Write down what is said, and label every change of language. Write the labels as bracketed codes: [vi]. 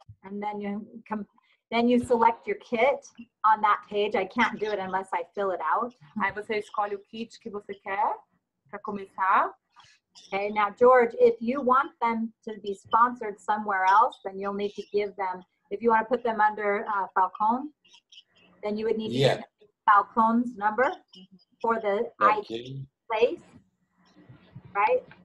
[en] And then you select your kit on that page. I can't do it unless I fill it out. [pt] Aí você escolhe o kit que você quer para começar. [en] Okay, now George, if you want them to be sponsored somewhere else, then you'll need to give them, if you want to put them under Falcone, then you would need to give Falcone's number for the ID place, right?